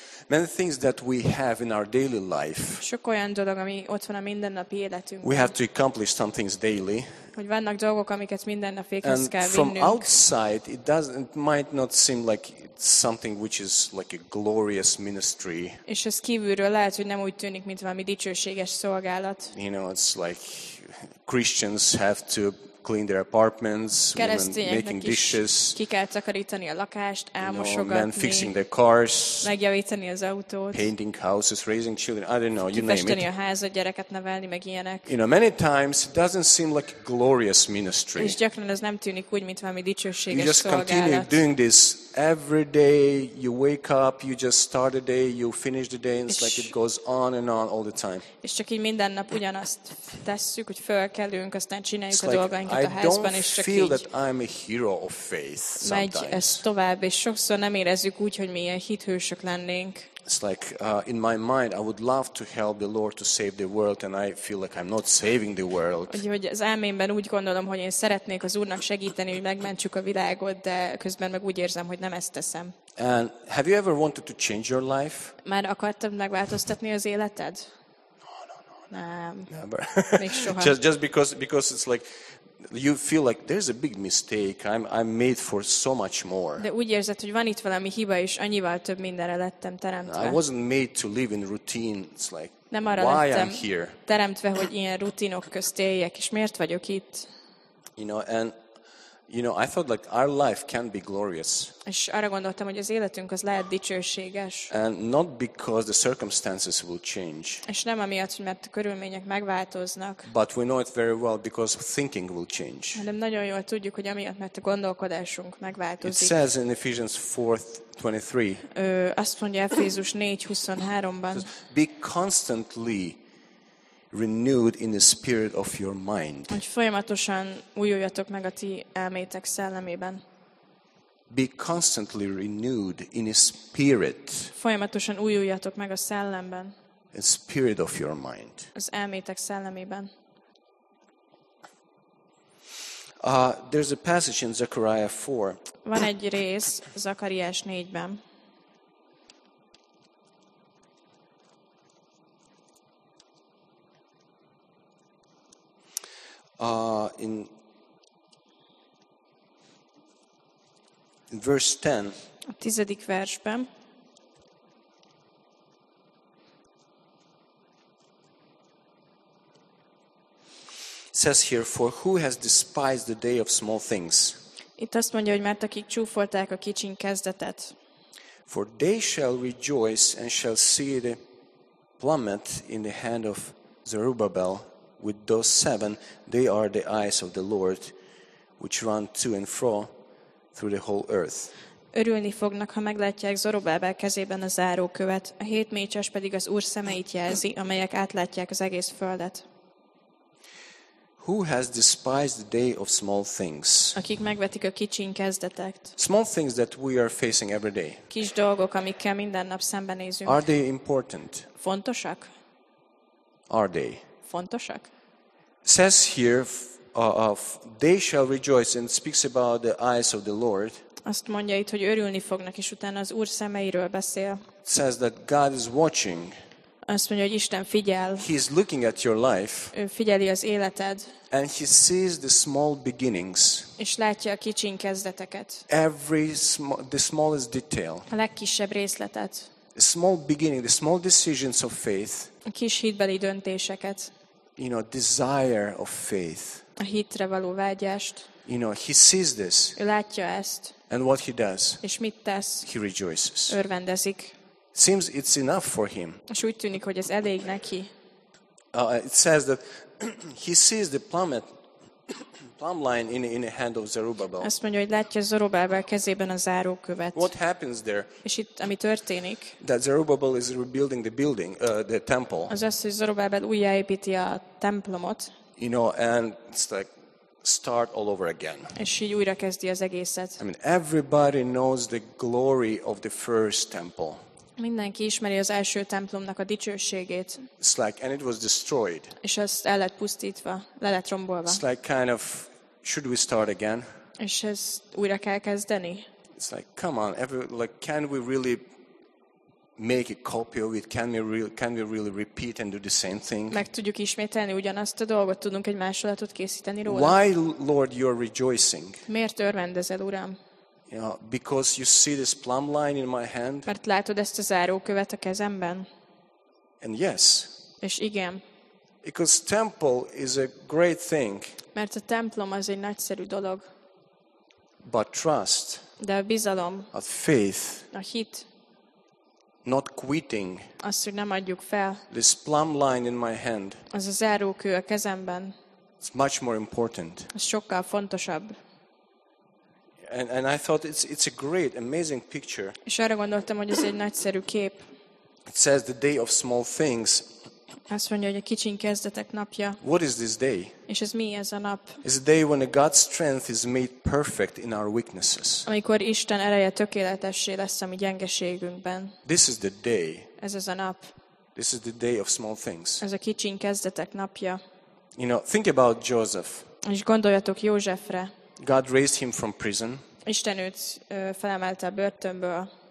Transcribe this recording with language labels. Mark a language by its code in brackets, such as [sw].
[en] Many things that we have in our daily life. [hu] Sok olyan dolog, ami ott van a mindennapi életünkben. [en] We have to accomplish some things daily. [hu] Hogy vannak dolgok, amiket minden nap végezni kell vinnünk. [en] And from outside, it might not seem like something which is like a glorious ministry. [hu] És ez kívülről lehet, hogy nem úgy tűnik, mint valami dicsőséges szolgálat. [en] You know, it's like Christians have to clean their apartments, women making dishes. [hu] Ki kell takarítani a lakást, elmosogatni. [en] You know, men fixing their cars. [hu] Megjavítani az autót. [en] Painting houses, raising children. I don't know, you name it. [hu] Kifesteni a házat, gyereket nevelni, meg ilyenek. [en] You know, many times it doesn't seem like a glorious ministry. [hu] És gyakran ez nem tűnik úgy, mint valami dicsőséges szolgálat. [en] You just continue doing this every day. You wake up, you just start a day, you finish the day, and it's like it goes on and on all the time. [hu] És csak így minden nap ugyanazt tesszük, hogy fölkelünk, aztán csináljuk a dolgainkat. [en] I don't feel that I'm a hero of faith sometimes. [hu] Megy ez tovább, és sokszor nem érezzük úgy, hogy mi ilyen hithősök lennénk. [en] It's like in my mind I would love to help the Lord to save the world and I feel like I'm not saving the world. [hu] Úgyhogy az elmémben úgy gondolom, hogy én szeretnék az Úrnak segíteni, hogy megmentsük a világot, de közben meg úgy érzem, hogy nem ezt teszem. [en] And have you ever wanted to change your life? [hu] Már akartad megváltoztatni az életed? [en] No, but just because it's like you feel like there's a big mistake. I'm made for so much more. [hu] De úgy érzed, hogy van itt valami hiba, és annyival több mindenre lettem teremtve. [en] I wasn't made to live in routine. It's like [hu] nem arra [en] why I'm here. [hu] Teremtve, hogy ilyen rutinok közt éljek, és miért vagyok itt? [en] You know, I thought like our life can be glorious. [hu] És arra gondoltam, hogy az életünk az lehet dicsőséges. [en] And not because the circumstances will change. [hu] És nem amiatt, mert a körülmények megváltoznak. [en] But we know it very well because thinking will change. [hu] Hanem nagyon jól tudjuk, hogy amiatt, mert a gondolkodásunk megváltozik. [en] It says in Ephesians 4:23. [hu] Azt mondja Efézus 4:23-ban. [en] Be constantly renewed in the spirit of your mind. [hu] Hogy folyamatosan újuljatok meg a ti elmétek szellemében. [en] Be constantly renewed in the spirit. [hu] Folyamatosan újuljatok meg a szellemben. [en] In the spirit of your mind. [hu] Az elmétek szellemében. [en] There's a passage in Zechariah 4. [hu] Van egy rész Zakariás 4-ben. [en] In verse 10. [hu] A tizedik versben. [en] Says here, for who has despised the day of small things? [hu] Itt azt mondja, hogy mert akik csúfolták a kicsin kezdetet. [en] For they shall rejoice and shall see the plummet in the hand of Zerubbabel. With those seven, they are the eyes of the Lord, which run to and fro through the whole earth. [hu] Örülni fognak, ha meglátják Zorobábel kezében a zárókövet, a hét mécses pedig az Úr szemeit jelzi, amelyek átlátják az egész földet. [en] Who has despised the day of small things? [hu] Akik megvetik a kicsin kezdetet. [en] Small things that we are facing every day. [hu] Kis dolgok, amikkel minden nap szembenézünk. [en] Are they important? [hu] Fontosak? [en] Are they? [hu] Fontosak. [en] Says here of they shall rejoice and speaks about the eyes of the Lord. [hu] Azt mondja itt, hogy örülni fognak, és utána az Úr szemeiről beszél. [en] Says that God is watching. [hu] Azt mondja, hogy Isten figyel. [en] He is looking at your life. [hu] Ő figyeli az életed. [en] And he sees the small beginnings. [hu] És látja a kicsin kezdeteket. [en] Every the smallest detail. [hu] A legkisebb részletet. [en] A small beginning, the small decisions of faith. [hu] A kis hitbeli döntéseket. [en] You know, desire of faith. [hu] A hitre való vágyást. [en] You know, he sees this. [hu] Ő látja ezt. [en] And what he does. [hu] És mit tesz? [en] He rejoices. [hu] Örvendezik. [en] Seems it's enough for him. [hu] És úgy tűnik, hogy ez elég neki. [en] It says that he sees the plumb line in the hand of Zerubbabel. [hu] Azt mondja, hogy látja Zerubbabel kezében a zárókövet. [en] What happens there? [hu] És itt ami történik? [en] That Zerubbabel is rebuilding the building, the temple. [hu] Az azt, hogy Zerubbabel újjáépíti a templomot. [en] You know, and it's like start all over again. [hu] És így újra kezdi az egészet. [en] I mean, everybody knows the glory of the first temple. [hu] Mindenki ismeri az első templomnak a dicsőségét. [en] It's like, and it was destroyed. [hu] És azt el lett pusztítva, le lett rombolva. [en] It's like kind of, should we start again? [hu] És ezt újra kell kezdeni? [en] It's like, come on, can we really make a copy of it? Can we really repeat and do the same thing? [hu] Meg tudjuk ismételni ugyanazt a dolgot, tudunk egy másolatot készíteni róla? [en] Why, Lord, you're rejoicing? [hu] Miért örvendezel, Uram? [en] You know, because you see this plumb line in my hand. [hu] Mert látod ezt a zárókövet a kezemben. [en] And yes. [hu] És igen. [en] Because temple is a great thing. [hu] Mert a templom az egy nagyszerű dolog. [en] But trust. [hu] De a bizalom. [en] A faith. [hu] A hit. [en] Not quitting. [hu] Azt, hogy nem adjuk fel. [en] This plumb line in my hand. [hu] Az a zárókő a kezemben. [en] It's much more important. [hu] Az sokkal fontosabb. [en] And I thought it's a great, amazing picture. [hu] És arra gondoltam, hogy ez egy nagyszerű kép. [en] It says the day of small things. [hu] Azt mondja, hogy a kicsin kezdetek napja. [en] What is this day? [hu] És ez mi ez a nap? [en] It's a day when God's strength is made perfect in our weaknesses. [hu] Amikor Isten ereje tökéletessé lesz a mi gyengeségünkben. [en] This is the day. [hu] Ez az a nap. [en] This is the day of small things. [hu] Ez a kicsin kezdetek napja. [en] You know, think about Joseph. [hu] És gondoljatok Józsefre. [en] God raised him from prison. [hu] Isten őt felemelte a börtönből.